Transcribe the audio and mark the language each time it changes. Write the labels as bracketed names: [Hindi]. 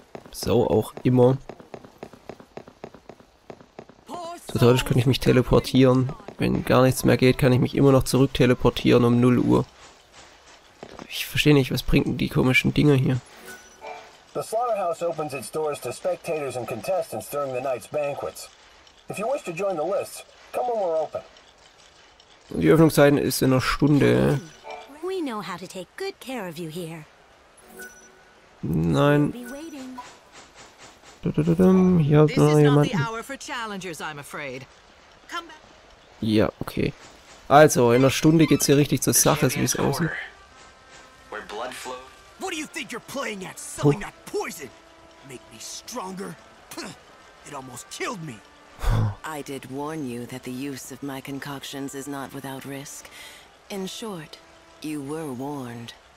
[German] So auch immer. So, dadurch kann ich mich teleportieren. Wenn gar nichts mehr geht, kann ich mich immer noch zurück teleportieren um 0 Uhr. Ich verstehe nicht, was bringen die komischen Dinger hier? [English] The Slaughterhouse opens its doors to spectators and contestants during the night's banquets. If you wish to join the lists, come when we're open. [German] Die Öffnungszeiten ist in einer Stunde. [English] We know how to take good care of you here. [German] Nein. Hier hat noch jemanden. [English] This is not the hour for challengers, I'm afraid. Come back. [German] Ja, okay. Also, in einer Stunde geht's hier richtig zur Sache, wie es aussieht. [English] What do you think you're playing at, selling that poison? Make me stronger? It almost killed me. I did warn you that the use of my concoctions is not without risk. In short, you were warned.